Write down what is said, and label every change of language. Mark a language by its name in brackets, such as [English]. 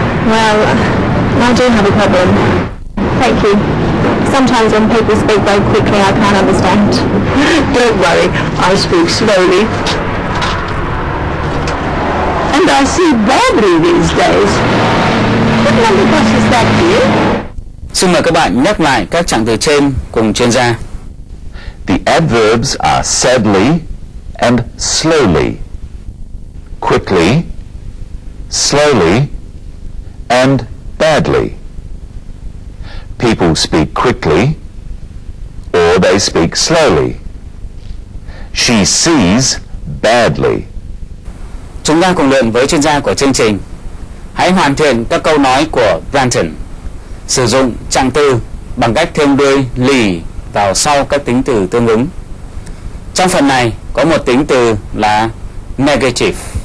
[English] Well, I don't have a problem. Thank you. Sometimes when people speak very quickly, I can't understand. Don't worry, I speak slowly. And I see badly these days. What number bus is that, dear? [Vietnamese] Xin mời các bạn nhắc lại các trạng từ trên cùng chuyên gia. [English] The adverbs are sadly and slowly, quickly, slowly, and badly. People speak quickly or they speak slowly. She sees badly. [Vietnamese] Chúng ta cùng luyện với chuyên gia của chương trình. Hãy hoàn thiện các câu nói của Brandon. Sử dụng trạng từ bằng cách thêm đuôi ly vào sau các tính từ tương ứng. Trong phần này có một tính từ là negative.